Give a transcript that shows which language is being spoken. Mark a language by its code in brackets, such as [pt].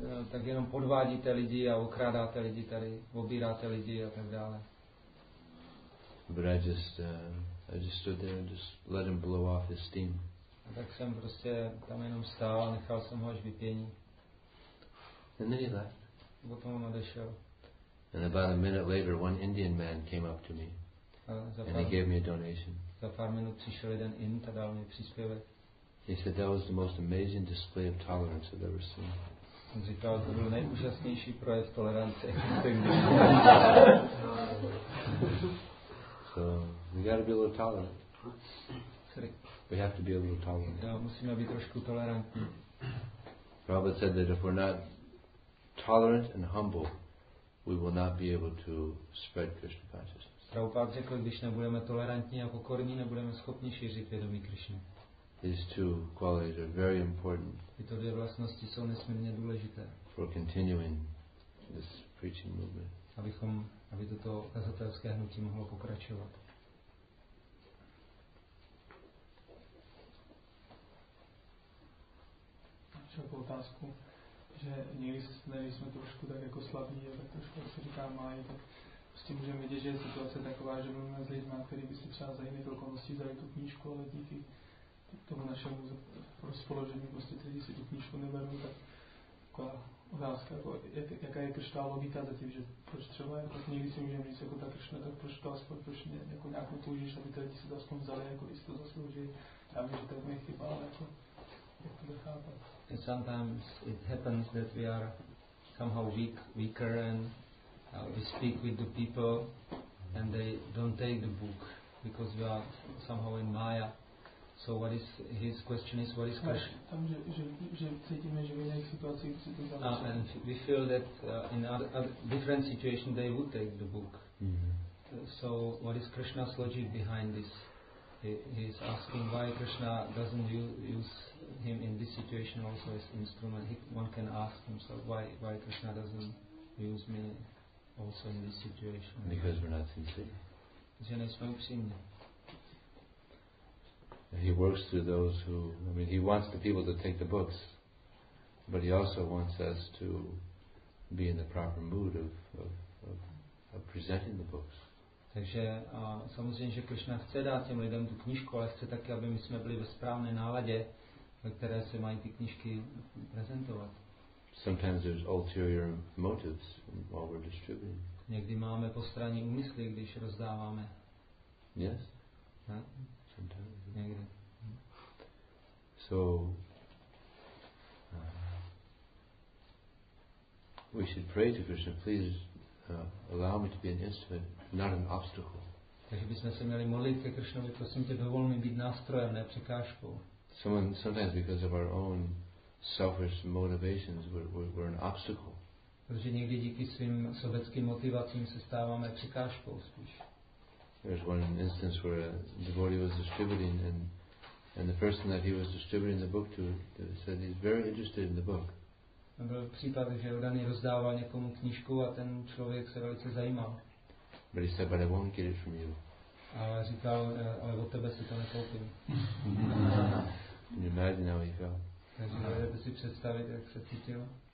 [cs] Tak jenom podvádíte lidi a okrádáte lidi tady, obíráte lidi a tak dále. [en] But I just stood there and just let him blow off his steam. [cs] A tak jsem prostě tam jenom stál a nechal jsem ho až vypění. [en] And then he left. [cs] Potom on odešel. [en] And about a minute later, one Indian man came up to me. And he gave me a donation. [cs] Za pár minut přišel jeden Ind a dal mi příspěvek. [en] He said that was the most amazing display of tolerance I've ever seen. [cs] On říkal, to byl nejúžasnější projev tolerance. [en] So, we gotta be a little tolerant. We have to be a little tolerant. [cs] Jo, musíme být trošku tolerantní. [en] Prabhupada said that if we're not tolerant and humble, we will not be able to spread Krishna consciousness. [cs] Prabhupada řekl, když nebudeme tolerantní a pokorní, nebudeme schopni šířit vědomí Krishna. [en] These two qualities are very important. [cs] Tyto dvě vlastnosti jsou nesmírně důležité. [en] For continuing this preaching movement. [cs] Aby toto kazatelské hnutí mohlo pokračovat. Co po otázku? Že někdy jsme trošku tak jako slabí a tak trošku, jak se říká, mají, tak s tím můžeme vidět, že je situace taková, že mluvíme s lidmi, který by si třeba za jiných okolností vzali tu knížku, ale díky tomu našemu rozpoložení, prostě ty lidi si tu knížku neberou, tak taková otázka, jako, jaká je Krišna logika za tím, že proč třeba, jako někdy si můžeme říct, jako ta Krišna, tak proč to aspoň, proč mě, jako nějakou toužíš, aby ty lidi si to aspoň vzali, jako jsi to zaslouží, já vím, že to mě chybá, ale jako, jak to dochápat. [en] And sometimes it happens that we are somehow weaker and we speak with the people and they don't take the book because we are somehow in Maya. So what is his question is, what is Krishna? And we feel that in other different situations they would take the book. Mm-hmm. So what is Krishna's logic behind this? He is asking why Krishna doesn't use him in this situation also as instrument. One can ask himself why Krishna doesn't use me also in this situation. Because we're not sincere. [cs] Že nejsme upřímní. [en] He works through those who, I mean, he wants the people to take the books, but he also wants us to be in the proper mood of presenting the books. [cs] Takže samozřejmě, že Krishna chce dát těm lidem tu knížku, ale chce taky, aby my jsme byli ve správné náladě, ve které se mají ty knížky prezentovat. [en] Sometimes there's ulterior motives while we're distributing. [cs] Někdy máme postranní úmysly, když rozdáváme. [en] Yes. Yeah. Sometimes. [cs] Někdy. [en] So we should pray to Krishna, please allow me to be an instrument, not an obstacle. [cs] Takže bychom se měli modlit ke Krishnovi, prosím tě, dovol mi být nástrojem, ne překážkou. [en] Sometimes because of our own selfish motivations, we're an obstacle. [cs] Protože někdy díky svým sobeckým motivacím se stáváme překážkou spíš. [en] There's one instance where a devotee was distributing, and the person that he was distributing the book to said he's very interested in the book. [cs] Byl případ, že Udany rozdával někomu knížku a ten člověk se velice zajímal. [en] But he said, but I won't get it from you. [cs] Ale říkal, ale od tebe si to nekoupím. [en] Can you imagine how he felt? [cs] Takže můžete si představit, jak se cítil?